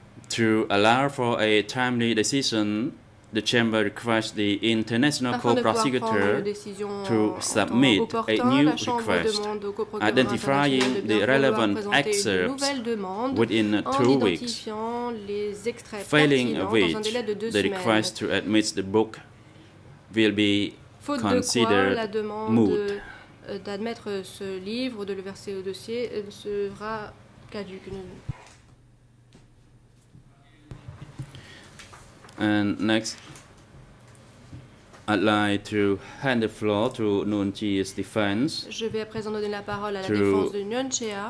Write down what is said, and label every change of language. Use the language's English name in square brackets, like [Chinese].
[English] To allow for a timely decision, the chamber requests the international co-prosecutor to submit a new request identifying the relevant excerpts within 2 weeks, failing which the request to admit the book will be considered moot. [French] D'admettre ce livre, de le verser au dossier, sera caduque. [English] And next, I'd like to hand the floor to Nguyen Chi's defense. [French] Je vais à présent donner la parole à la défense de Nguyen Chi.